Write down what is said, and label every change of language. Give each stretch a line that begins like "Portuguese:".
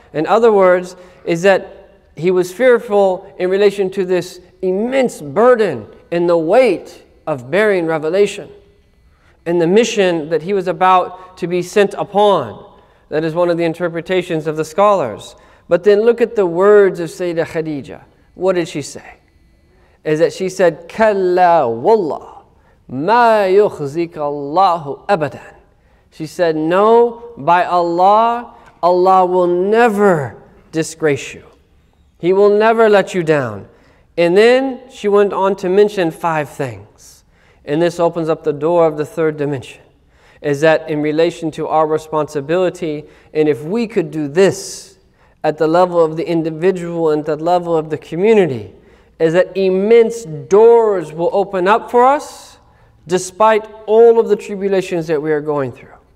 English: In other words, is that he was fearful in relation to this immense burden and the weight of bearing revelation and the mission that he was about to be sent upon. That is one of the interpretations of the scholars. But then look at the words of Sayyidah Khadija. What did she say? Is that she said,
Arabic: كَلَّا وَاللَّهُ مَا يُخْزِكَ اللَّهُ أَبَدًا.
English: She said, no, by Allah, Allah will never disgrace you. He will never let you down. And then she went on to mention five things. And this opens up the door of the third dimension, is that in relation to our responsibility, and if we could do this at the level of the individual and the level of the community, is that immense doors will open up for us despite all of the tribulations that we are going through.